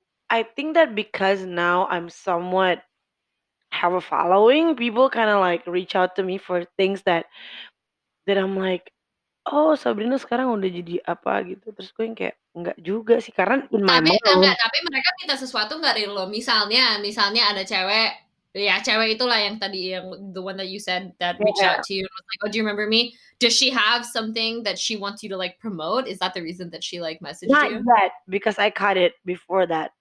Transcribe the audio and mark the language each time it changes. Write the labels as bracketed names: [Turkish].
[English] I think that because now I'm somewhat have a following, people kind of like reach out to me for things that I'm like, oh, Sabrina [Indonesian] sekarang udah jadi apa gitu. Terus gue yang kayak, enggak juga sih. Karena [English] in my mind. [Indonesian] Tapi mereka minta sesuatu enggak dari lo. Misalnya ada cewek. Ya, cewek itulah yang tadi, yang [English] the one that you said that reached out to you and was like, oh, do you remember me? Does she have something that she wants you to, like, promote? Is that the reason that she, like, messaged not you? Not yet, because I caught it before that.